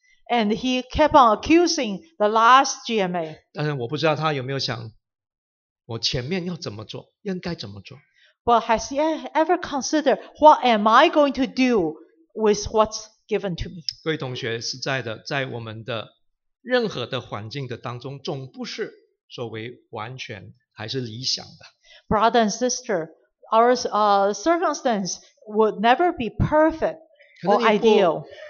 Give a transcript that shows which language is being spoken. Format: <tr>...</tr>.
<en>And he kept on accusing the last GMA.</en> <zh>但是我不知道他有没有想 我前面要怎么做,应该怎么做?</zh> <en>But has he ever considered what am I going to do with what's given to me?</en> <zh>各位同学,实在的,在我们的任何的环境的当中,总不是所谓完全还是理想的。</zh> <en>Brother and sister, our circumstance would never be perfect or ideal.</en>